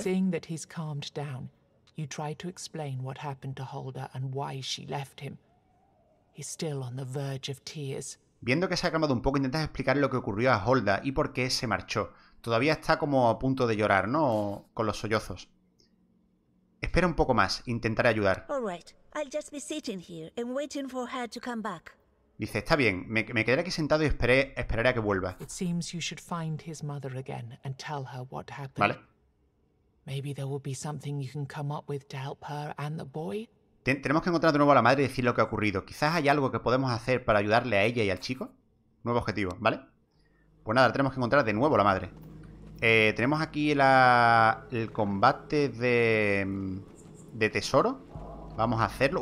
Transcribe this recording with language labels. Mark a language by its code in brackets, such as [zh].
[en] Seeing that he's calmed down, you try to explain what happened to Holda and why she left him. He's still on the verge of tears. [es] Viendo que se ha calmado un poco, intentas explicar lo que ocurrió a Holda y por qué se marchó. Todavía está como a punto de llorar, ¿no? O con los sollozos. Espera un poco más, intentaré ayudar. [en] All right, I'll just be sitting here and waiting for her to come back. [es] Dice, está bien, me quedaré aquí sentado y esperaré a que vuelva. [en] It seems you should find his mother again and tell her what happened. [es] Vale. [en] Maybe there will be something you can come up with to help her and the boy. [es] Tenemos que encontrar de nuevo a la madre y decir lo que ha ocurrido. Quizás hay algo que podemos hacer para ayudarle a ella y al chico. Nuevo objetivo, ¿vale? Pues nada, tenemos que encontrar de nuevo a la madre. Tenemos aquí el combate de tesoro. Vamos a hacerlo.